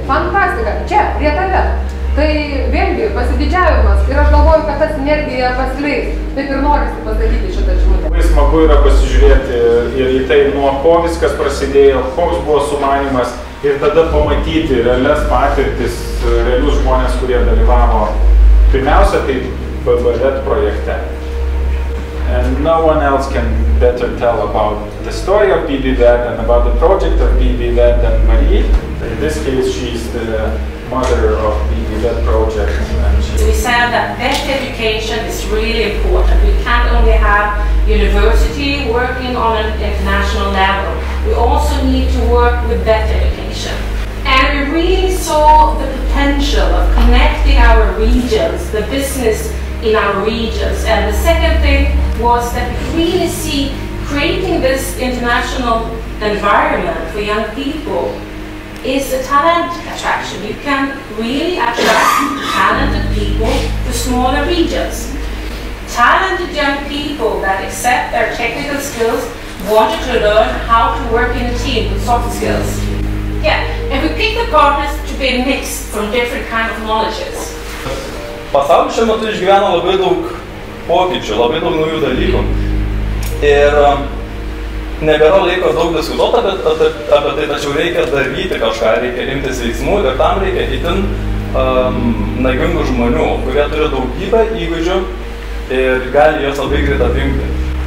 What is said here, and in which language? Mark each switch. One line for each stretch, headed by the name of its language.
Lithuanian: Fantastika, čia, prie tave. Tai vėlgi pasididžiavimas ir aš galvoju, kad tas energija pasileis. Taip ir norisi pasakyti šitą žmonę. Labai smagu yra pasižiūrėti ir į tai, nuo ko viskas prasidėjo, koks buvo sumanymas ir tada pamatyti realias patirtis, realius žmonės, kurie dalyvavo pirmiausia, tai BBV projekte.
English: And no one else can better tell about the story of BBV and about the project of BBV than Marie. In this case, she's the mother of BBV project. We said that best education is really important. We can't only have university working on an international level. We also need to work with best education. And we really saw the potential of connecting our regions, the business in our regions. And the second thing was that we really see creating this international environment for young people is a talent attraction. You can really attract talented people to smaller regions. Talented young people that accept their technical skills wanted to learn how to work in a team with soft skills. Yeah, and we pick the partners to be a mix from different kinds of knowledges.
Lithuanian: Pasaulis šiuo metu išgyvena labai daug pokyčių, labai daug naujų dalykų. Ir nebėra laiko daug diskutuoti apie tai, tačiau reikia daryti kažką, reikia imtis veiksmų ir tam reikia itin naivingų žmonių, kurie turi daugybę įgūdžių ir gali juos labai greit apimti.